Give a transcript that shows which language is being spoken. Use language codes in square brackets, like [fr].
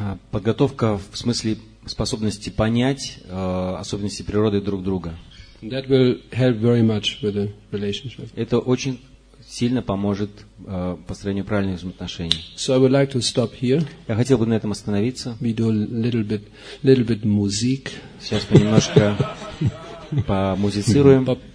[ru] Подготовка в смысле способности понять особенности природы друг друга. [en] That will help very much with the relationship. [ru] Это очень сильно поможет построению правильных взаимоотношений. [en] So I would like to stop here. [ru] Я хотел бы на этом остановиться. [en] We do a little bit music. [ru] Сейчас мы немножко помузицируем.